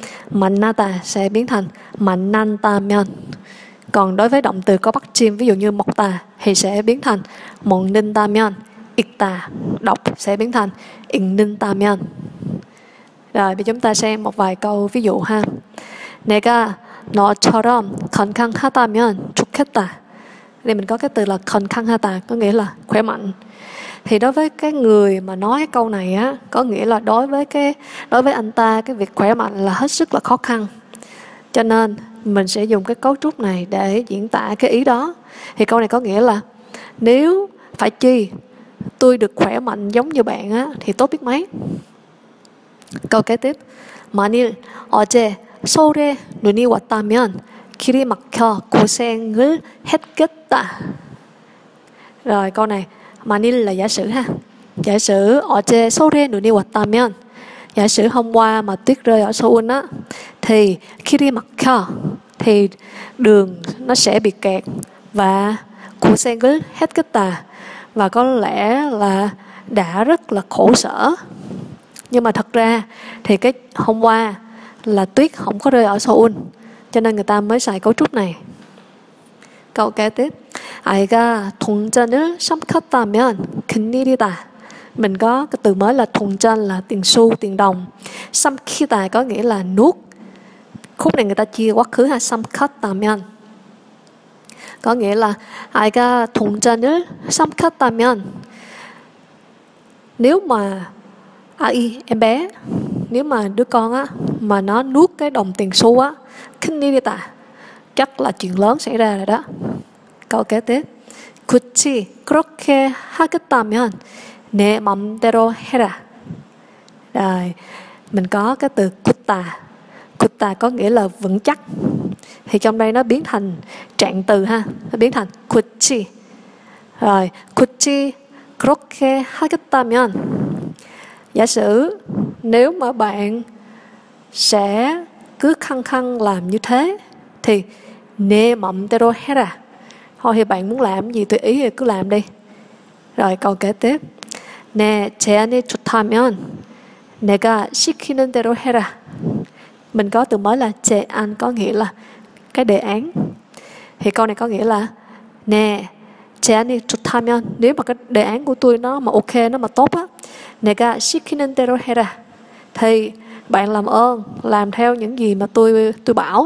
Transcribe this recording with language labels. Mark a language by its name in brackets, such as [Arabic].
[Vietnamese] Manata sẽ biến thành manantamyon. Còn đối với động từ có bắt chim, ví dụ như mokta thì sẽ biến thành monintamyon. Ikta đọc sẽ biến thành innintamyon. Rồi bây giờ chúng ta xem một vài câu ví dụ ha. [Korean] Nega no처럼 건강하다면 좋겠다. [Vietnamese] Đây mình có cái từ là 건강하다, có nghĩa là khỏe mạnh. Thì đối với cái người mà nói cái câu này á, có nghĩa là đối với anh ta cái việc khỏe mạnh là hết sức là khó khăn. Cho nên mình sẽ dùng cái cấu trúc này để diễn tả cái ý đó. Thì câu này có nghĩa là nếu phải chi tôi được khỏe mạnh giống như bạn á thì tốt biết mấy. Câu kế tiếp. [Korean] 만일 어제 서울에 눈이 왔다면 길이 막혀 고생을 했겠다. [Vietnamese] Rồi câu này, [Korean] 만일 [Vietnamese] là giả sử ha. Giả sử [Korean] 어제 서울에 눈이 왔다면, [Vietnamese] giả sử hôm qua mà tuyết rơi ở Seoul á, thì [Korean] 길이 막혀 [Vietnamese] thì đường nó sẽ bị kẹt và [Korean] 고생을 했겠다 [Vietnamese] và có lẽ là đã rất là khổ sở. Nhưng mà thật ra thì cái hôm qua là tuyết không có rơi ở Seoul, cho nên người ta mới xài cấu trúc này. Câu kế tiếp, [Korean] 아이가 동전을 삼켰다면 큰일이다. [Vietnamese] Mình có cái từ mới là 동전 là tiền xu, tiền đồng. 삼키다 có nghĩa là nuốt. Khúc này người ta chia quá khứ ha, 삼켰다면 có nghĩa là [Korean] 아이가 동전을 삼켰다면. [Vietnamese] Nếu mà em bé, nếu mà đứa con á mà nó nuốt cái đồng tiền xu á, khinirita chắc là chuyện lớn xảy ra rồi đó. Câu kế tiếp, [Korean] 굳이 그렇게 하겠다면 내 맘대로 해라. [Vietnamese] Rồi mình có cái từ 굳다. 굳다 có nghĩa là vững chắc. Thì trong đây nó biến thành trạng từ ha, nó biến thành 굳이. Rồi [Korean] 굳이 그렇게 하겠다면, [Vietnamese] giả sử nếu mà bạn sẽ cứ khăng khăng làm như thế thì [Korean] 내 맘대로 해라. [Vietnamese] Thôi thì bạn muốn làm gì tùy ý thì cứ làm đi. Rồi câu kế tiếp. [Korean] 내 제안이 좋다면 내가 시키는 대로 해라. [Vietnamese] Mình có từ mới là 제안 có nghĩa là cái đề án. Thì câu này có nghĩa là [Korean] 내 제안이 좋다면, [Vietnamese] nếu mà cái đề án của tôi nó mà ok, nó mà tốt á, [Korean] 내가 시키는 대로 해라, [Vietnamese] thì bạn làm ơn làm theo những gì mà tôi bảo.